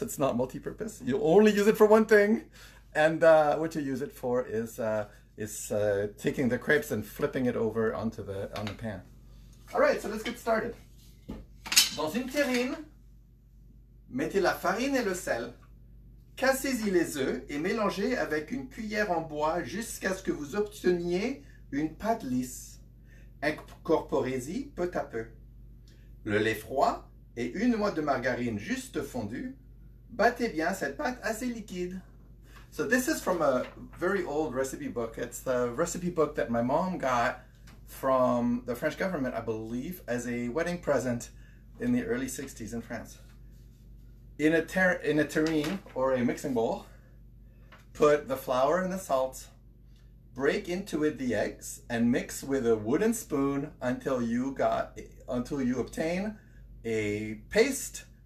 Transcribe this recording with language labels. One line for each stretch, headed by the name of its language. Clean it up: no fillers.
English: It's not multi-purpose. You only use it for one thing. And what you use it for is taking the crepes and flipping it over onto the on the pan. All right, so let's get started.
French: Dans une terrine, mettez la farine et le sel. Cassez-y les œufs et mélangez avec une cuillère en bois jusqu'à ce que vous obteniez une pâte lisse. Incorporez-y peu à peu. Le lait froid et une noix de margarine juste fondue. Battez bien cette pâte assez liquide.
English: So this is from a very old recipe book. It's the recipe book that my mom got from the French government, I believe, as a wedding present in the early 60s in France. In a terrine or a mixing bowl, put the flour and the salt, break into it the eggs, and mix with a wooden spoon until you obtain a paste.